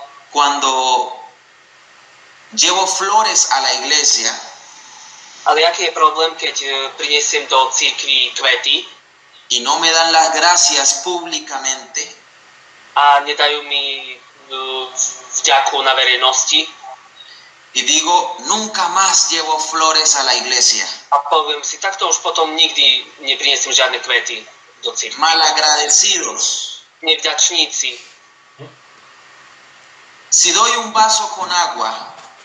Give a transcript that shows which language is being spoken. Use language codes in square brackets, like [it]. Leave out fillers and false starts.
[es] Cuando llevo flores a la iglesia. [sk] Ale aký je problém, keď prinesiem do cirkvi kvety? [es] Y no me dan las gracias públicamente. [sk] A nedajú mi vďaku na verejnosti. [es] Y digo, nunca más llevo flores a la iglesia. [sk] A poviem si, takto už potom nikdy neprinesiem žiadne kvety do cirkvi. [es] Malagradecidos. [sk] Nevďačníci. [es] Si doy un vaso con agua.